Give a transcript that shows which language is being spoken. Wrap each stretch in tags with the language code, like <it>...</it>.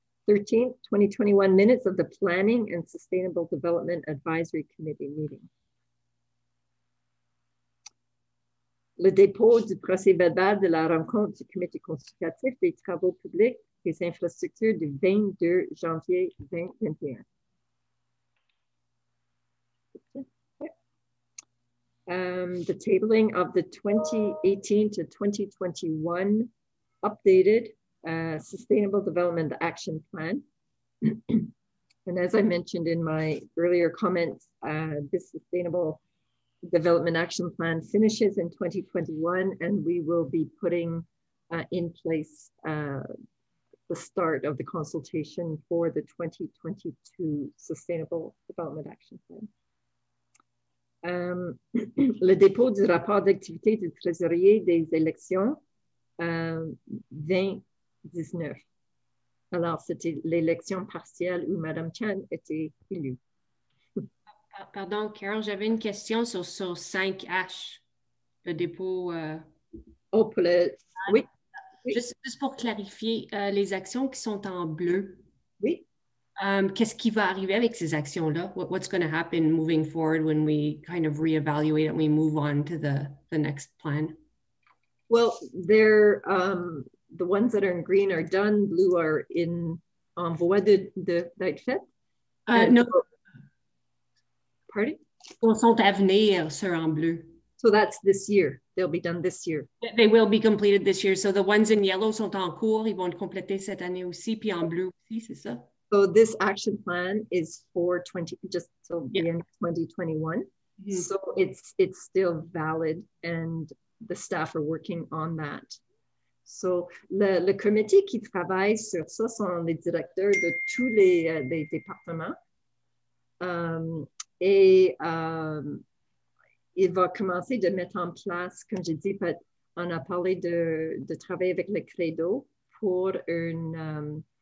<en>13th, 2021 minutes of the Planning and Sustainable Development Advisory Committee meeting.</en> <fr>Le dépôt du procès verbal de la rencontre du comité consultatif des travaux publics et des infrastructures du 22 janvier 2021.</fr> <en>The tabling of the 2018 to 2021 updated Sustainable Development Action Plan. And as I mentioned in my earlier comments, this Sustainable Development Action Plan finishes in 2021, and we will be putting in place the start of the consultation for the 2022 Sustainable Development Action Plan.</en> <fr>le dépôt du rapport d'activité du trésorier des élections 2019. Alors, c'était l'élection partielle où Madame Chen était élue. Pardon, Carol, j'avais une question sur 5H, le dépôt. Oh, pour le... Oui. Juste pour clarifier, les actions qui sont en bleu. Oui. Qu'est-ce qui va arriver avec ces actions-là?</fr> <en>What's going to happen moving forward when we kind of reevaluate and we move on to the next plan? Well, they're the ones that are in green are done. Blue are in</en> <fr>en voie de d'être fait.</fr> <en>No.</en> <fr>Pardon? Ils sont à venir sur en bleu.</fr> <en>So that's this year. They'll be done this year. They will be completed this year. So the ones in yellow</en> <fr>sont en cours. Ils vont compléter cette année aussi. Puis en bleu aussi, c'est ça?</fr> <en>So this action plan is for 20, just so yeah. The end of 2021. Mm-hmm. So it's still valid and the staff are working on that.</en> <fr>So le comité qui travaille sur ça sont les directeurs de tous les départements. Il va commencer de mettre en place, comme j'ai dit, but on a parlé de travailler avec le credo pour une...</fr>